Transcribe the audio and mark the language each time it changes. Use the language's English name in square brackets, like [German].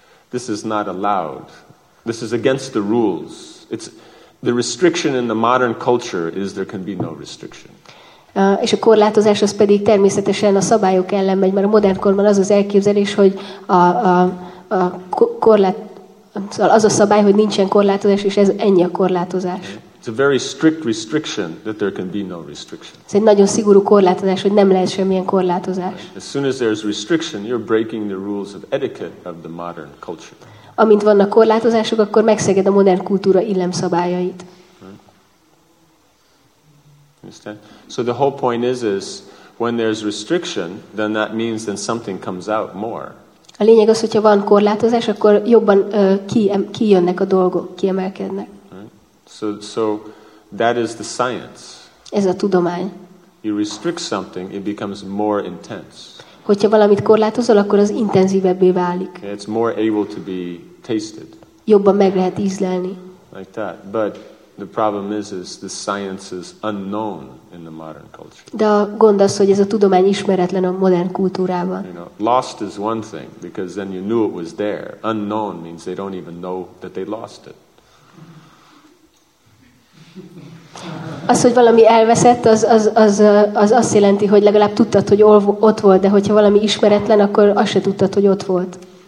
[English] This is not allowed. This is against the rules. It's the restriction in the modern culture is there can be no restriction. [Hungarian] És a korlátozás az pedig természetesen a szabályok ellen megy, mert a modern korban az az elképzelés, hogy a korlát, szóval az a szabály, hogy nincsen korlátozás, és ez ennyi a korlátozás. [English] It's a very strict restriction that there can be no restriction. [Hungarian] Ez egy nagyon szigorú korlátozás, hogy nem lehet semmilyen korlátozás. [English] As soon as there's restriction, you're breaking the rules of etiquette of the modern culture. [Hungarian] Amint vannak korlátozások, akkor megszeged a modern kultúra illemszabályait. [English] Understand? So the whole point is when there's restriction, then that means then something comes out more. [Hungarian] A lényeg az, hogyha van korlátozás, akkor jobban kijönnek a dolgok, kiemelkednek. [English] So that is the science. [Hungarian] Ez a tudomány. [English] You restrict something, it becomes more intense. [Hungarian] Hogyha valamit korlátozol, akkor az intenzívebbé válik. [English] It's more able to be tasted. [Hungarian] Jobban meg lehet ízlelni. [English] Like that. But The problem is the science is unknown in the modern culture. [Hungarian] De a gond az, hogy ez a tudomány ismeretlen a modern kultúrában. [English] You know, lost is one thing because then you knew it was there. Unknown means they don't even know that they lost it. [Hungarian] Az, hogy valami elveszett, az azt jelenti, hogy legalább tudtad, hogy ott volt, de hogyha valami ismeretlen, akkor azt se tudtad, hogy ott volt.